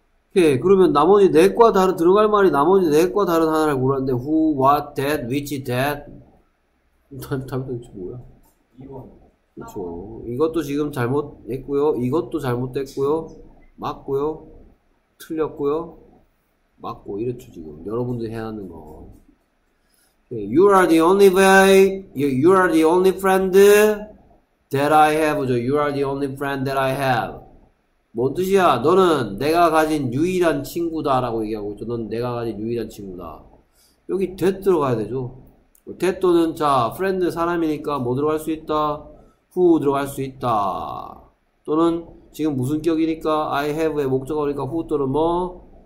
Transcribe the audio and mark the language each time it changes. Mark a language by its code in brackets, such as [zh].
[ko] 오케이. 그러면 나머지 네 과 다른 들어갈 말이 나머지 네과 다른 하나를 고르는데 who, what, that, which, that 답이 도대체 뭐야? 그렇죠. 이것도 지금 잘못했고요. 이것도 잘못됐고요. 맞고요. 틀렸고요. 맞고 이렇죠 지금. 여러분들이 해야 하는 거. [en] You are the only way. You are the only friend that I have죠. You are the only friend that I have. [ko] 뭔 뜻이야? 너는 내가 가진 유일한 친구다라고 얘기하고 있죠. 넌 내가 가진 유일한 친구다. 여기 that 들어가야 되죠. that 또는 자, friend 사람이니까 뭐 들어갈 수 있다? who 들어갈 수 있다. 또는 지금 무슨 격이니까 I have의 목적어니까 who 또는 뭐?